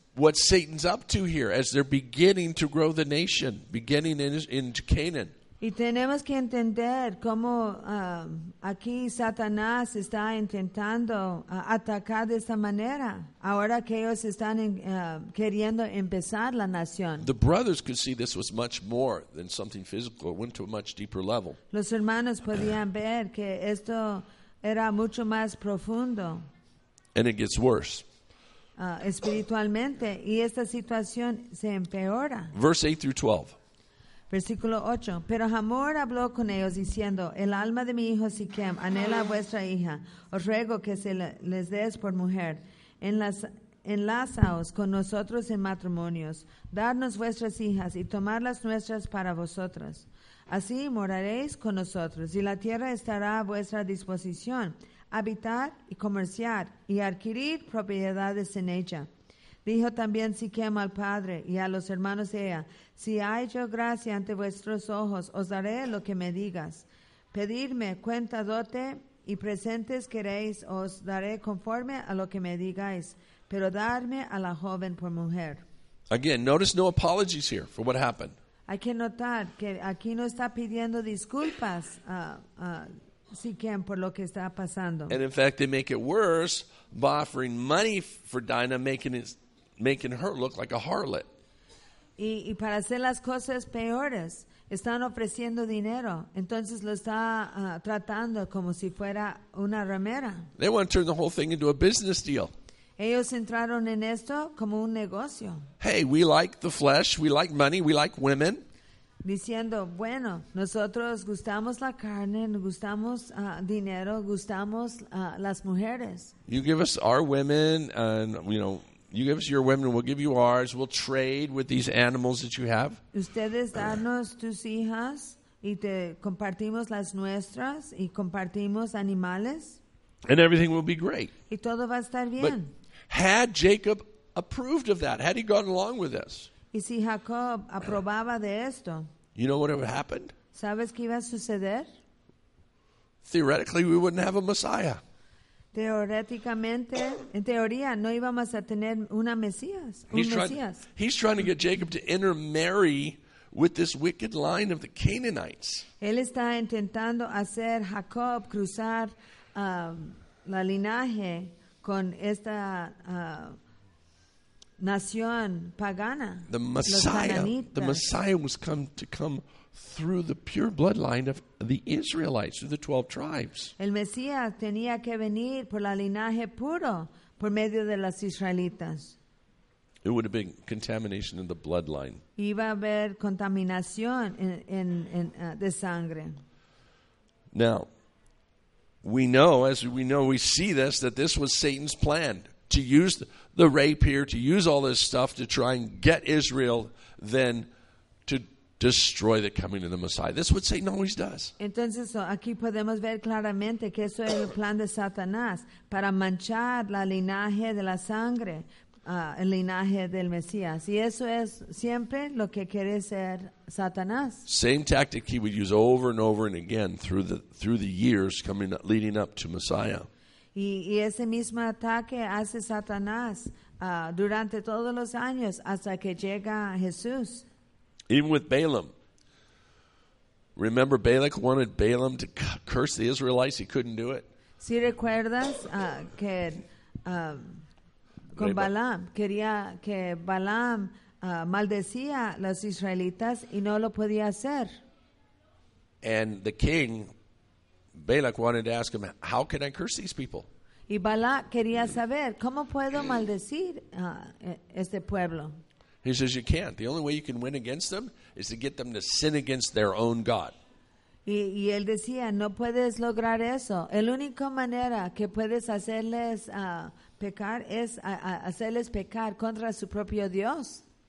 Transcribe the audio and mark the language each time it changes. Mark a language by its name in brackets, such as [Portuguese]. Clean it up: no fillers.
[English] What Satan's up to here as they're beginning to grow the nation, beginning in Canaan. [Spanish] Y tenemos que entender cómo aquí Satanás está intentando atacar de esta manera, ahora que ellos están queriendo empezar la nación. [English] The brothers could see this was much more than something physical. It went to a much deeper level. [Spanish] Los hermanos podían ver que esto era mucho más profundo. [English] And it gets worse. [Spanish] Espiritualmente, y esta situación se empeora. [English] Verse 8 through 12. [Spanish] Versículo 8. Pero Hamor habló con ellos diciendo, el alma de mi hijo Siquem anhela a vuestra hija. Os ruego que se les des por mujer. Enlazaos con nosotros en matrimonios. Darnos vuestras hijas y tomar las nuestras para vosotros. Así moraréis con nosotros y la tierra estará a vuestra disposición. Habitar y comerciar y adquirir propiedades en ella. Dijo también Siquem al padre y a los hermanos de ella, si hay yo gracia ante vuestros ojos, os daré lo que me digas. Pedidme cuenta dote y presentes queréis, os daré conforme a lo que me digáis, pero darme a la joven por mujer. [English] Again, notice no apologies here for what happened. [Spanish] Hay que notar que aquí no está pidiendo disculpas a Siquem por lo que está pasando. [English] And in fact, they make it worse by offering money for Dinah, making her look like a harlot. [Spanish] Y para hacer las cosas peores, están ofreciendo dinero. Entonces lo está tratando como si fuera una ramera. [English] They want to turn the whole thing into a business deal. [Spanish] Ellos entraron en esto como un negocio. [English] Hey, we like the flesh, we like money, we like women. [Spanish] Diciendo, bueno, nosotros gustamos la carne, gustamos dinero, gustamos las mujeres. [English] You give us our women and, you know, you give us your women, we'll give you ours, we'll trade with these animals that you have. [Spanish] Ustedes danos tus hijas y te compartimos las nuestras y compartimos animales. [English] And everything will be great. [Spanish] Y todo va a estar bien. [English] But had Jacob approved of that? Had he gone along with this? [Spanish] Y si Jacob aprobaba de esto? [English] You know what would have happened? [Spanish] ¿Sabes qué iba a suceder? [English] Theoretically, we wouldn't have a Messiah. [Spanish] Teóricamente, en teoría, no íbamos a tener una Mesías. [English] He's trying to get Jacob to intermarry with this wicked line of the Canaanites. [Spanish] Él está intentando hacer Jacob cruzar la linaje con esta nación pagana. [English] The Messiah was come through the pure bloodline of the Israelites, through the 12 tribes. [Spanish] El Mesías tenía que venir por la linaje puro, por medio de las israelitas. [English] It would have been contamination in the bloodline. [Spanish] Iba a haber contaminación de sangre. [English] Now, we see this, that this was Satan's plan, to use the rape here, to use all this stuff to try and get Israel then to destroy the coming of the Messiah. That's what Satan always does. [Spanish] Entonces, aquí podemos ver claramente que eso es el plan de Satanás para manchar la linaje de la sangre, el linaje del Mesías. Y eso es siempre lo que quiere ser Satanás. [English] Same tactic he would use over and over and again through the years coming leading up to Messiah. [Spanish] Y ese mismo ataque hace Satanás durante todos los años hasta que llega Jesús. [English] Even with Balaam. Remember, Balak wanted Balaam to curse the Israelites. He couldn't do it. [Spanish] ¿Sí recuerdas que con Balaam? Quería que Balaam maldecía a los israelitas y no lo podía hacer. [English] And the king, Balak, wanted to ask him, how can I curse these people? [Spanish] Y Balak quería saber, ¿cómo puedo maldecir este pueblo? [English] He says, you can't. The only way you can win against them is to get them to sin against their own God. [Spanish] Y él decía, no puedes lograr eso. El único manera que puedes hacerles pecar es hacerles pecar contra su propio Dios.